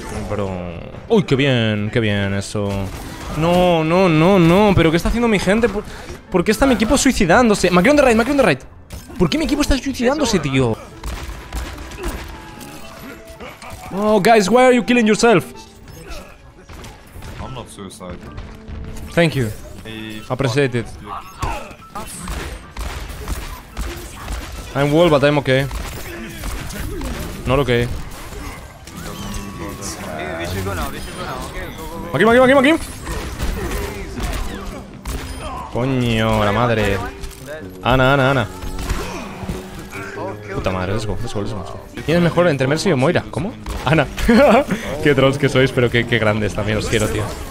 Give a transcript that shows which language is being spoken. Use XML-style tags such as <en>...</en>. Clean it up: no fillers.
<es>Bro. Uy, qué bien eso. No, no, no, no. ¿Pero qué está haciendo mi gente? ¿Por qué está mi equipo suicidándose? Me ha quedado un raid, me ha quedado un raid. ¿Por qué mi equipo está suicidándose, tío?</es> <en>Oh, guys, why are you killing yourself? I'm not suicide. Thank you. Appreciate it. I'm wall, but I'm okay. Not okay. Makim, Makim, Makim, Makim.</en> <es>Coño, la madre. Ana, Ana, Ana. Puta madre,</es> <en>let's go, let's go, let's go.</en> <es>¿Quién es mejor entre Mercy o Moira? ¿Cómo? Ana. Qué trolls que sois, pero qué grandes también, os quiero, tío.</es>